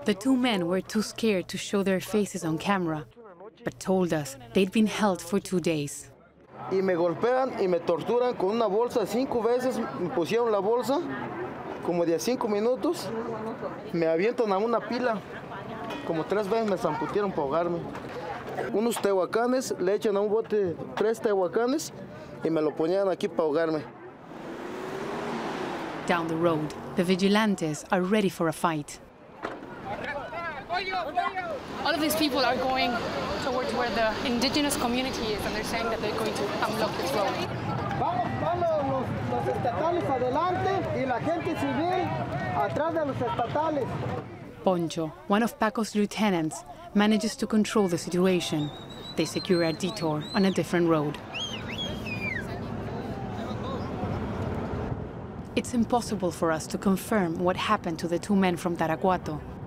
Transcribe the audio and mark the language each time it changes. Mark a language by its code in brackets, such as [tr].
[en] The two men were too scared to show their faces on camera, but told us they'd been held for 2 days. [es] Y me golpean y me torturan con una bolsa 5 veces, me pusieron la bolsa, como de 5 minutos, me avientan a una pila, como 3 veces me zamputieron para ahogarme. Unos tehuacanes, le echan a un bote 3 tehuacanes y me lo ponían aquí para ahogarme. [en] Down the road, the vigilantes are ready for a fight. All of these people are going towards where the indigenous community is, and they're saying that they're going to unblock this road. [es] Vamos, vamos, los estatales adelante y la gente civil atrás de los estatales. [en] Poncho, one of Paco's lieutenants, manages to control the situation. They secure a detour on a different road. It's impossible for us to confirm what happened to the two men from Tarahuato.